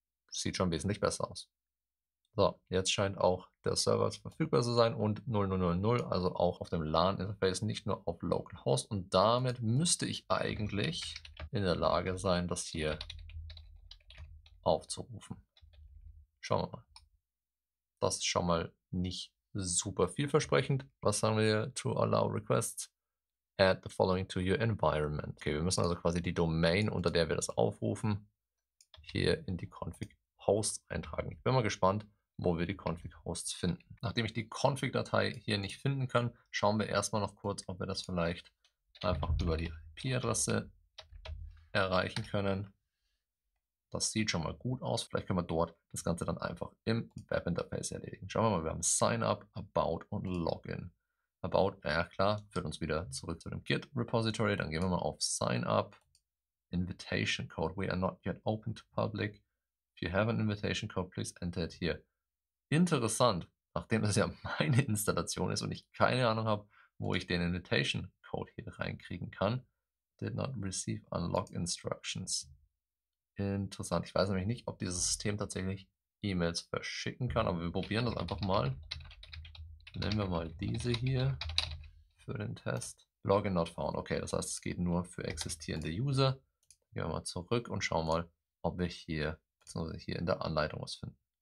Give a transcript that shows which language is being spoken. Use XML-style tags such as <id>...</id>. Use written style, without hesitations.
<de>Sieht schon wesentlich besser aus. So, jetzt scheint auch der Server verfügbar zu sein und 0000, also auch auf dem LAN-Interface, nicht nur auf Localhost. Und damit müsste ich eigentlich in der Lage sein, dass hier aufzurufen. Schauen wir mal. Das ist schon mal nicht super vielversprechend. Was sagen wir hier?</de> <en>To allow requests, add the following to your environment.</en> <de>Okay, wir müssen also quasi die Domain, unter der wir das aufrufen, hier in die config-hosts eintragen. Ich bin mal gespannt, wo wir die config-hosts finden. Nachdem ich die config-Datei hier nicht finden kann, schauen wir erstmal noch kurz, ob wir das vielleicht einfach über die IP-Adresse erreichen können. Das sieht schon mal gut aus. Vielleicht können wir dort das Ganze dann einfach im Webinterface erledigen. Schauen wir mal, wir haben Sign Up, About und Login. About, ja klar, führt uns wieder zurück zu dem Git Repository. Dann gehen wir mal auf Sign Up, Invitation Code.</de> <en>We are not yet open to public. If you have an invitation code, please enter it here.</en> <de>Interessant, nachdem es ja meine Installation ist und ich keine Ahnung habe, wo ich den Invitation Code hier reinkriegen kann.</de> <en>Did not receive unlock instructions.</en> <de>Interessant. Ich weiß nämlich nicht, ob dieses System tatsächlich E-Mails verschicken kann, aber wir probieren das einfach mal. Nehmen wir mal diese hier für den Test.</de> <en>Login not found.</en> <de>Okay, das heißt, es geht nur für existierende User. Gehen wir mal zurück und schauen mal, ob wir hier, beziehungsweise hier in der Anleitung was finden.</de>